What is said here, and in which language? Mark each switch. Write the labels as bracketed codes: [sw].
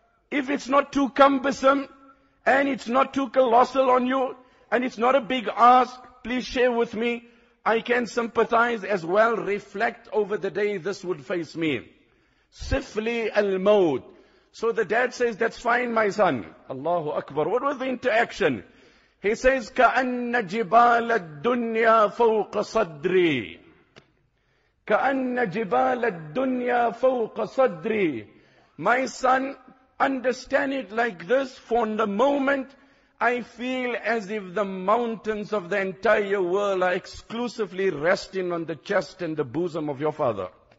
[en] If it's not too cumbersome, and it's not too colossal on you, and it's not a big ask, please share with me. I can sympathize as well, reflect over the day this would face me. Sifli al-maut. So the dad says, that's fine, my son. Allahu Akbar. What was the interaction? [ar] He says, كأن جبال الدنيا فوق صدري. كأن جبال الدنيا فوق صدري. [en] My son, understand it like this. For in the moment, I feel as if the mountains of the entire world are exclusively resting on the chest and the bosom of your father.